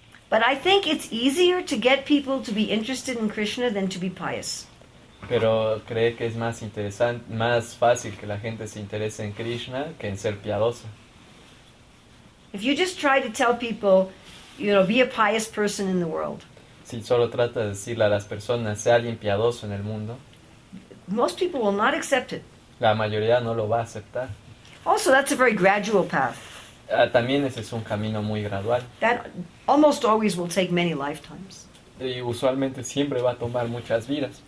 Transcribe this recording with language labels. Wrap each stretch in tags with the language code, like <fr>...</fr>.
<en>But I think it's easier to get people to be interested in Krishna than to be pious.</en> <es>Pero cree que es más interesante, más fácil que la gente se interese en Krishna que en ser piadosa.</es> <en>If you just try to tell people, you know, be a pious person in the world.</en> <es>Si solo trata de decirle a las personas, sea alguien piadoso en el mundo.</es> <en>Most people will not accept it.</en> <es>La mayoría no lo va a aceptar.</es> <en>Also, that's a very gradual path.</en> <es>También ese es un camino muy gradual.</es> <en>That almost always will take many lifetimes.</en> <es>Y usualmente siempre va a tomar muchas vidas.</es>